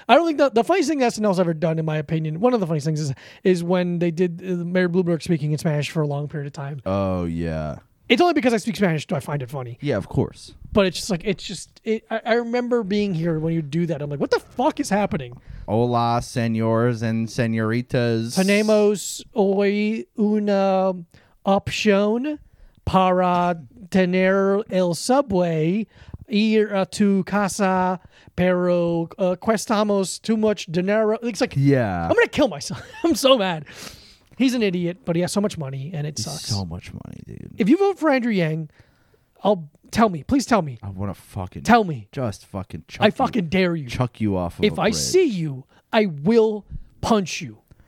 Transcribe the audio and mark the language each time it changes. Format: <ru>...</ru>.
<en>I don't think the funniest thing SNL's ever done, in my opinion, one of the funniest things is when they did Mary Bloomberg speaking in Spanish for a long period of time. Oh, yeah. It's only because I speak Spanish do I find it funny. Yeah, of course. But it's just like, it's just, it, I remember being here when you do that. I'm like, what the fuck is happening?</en> <es>Hola, senores</es> <en>and</en> <es>senoritas. Tenemos hoy una opción para tener el subway ir to casa, pero cuestamos</es> <en>too much</en> <es>dinero.</es> <en>It's like, yeah. I'm going to kill myself. I'm so mad. He's an idiot, but he has so much money, and it sucks. So much money, dude. If you vote for Andrew Yang, I'll tell me. Please tell me. I want to fucking... Tell me. Just fucking chuck I fucking dare you. Chuck you off of if a bridge. If I see you, I will punch you.</en>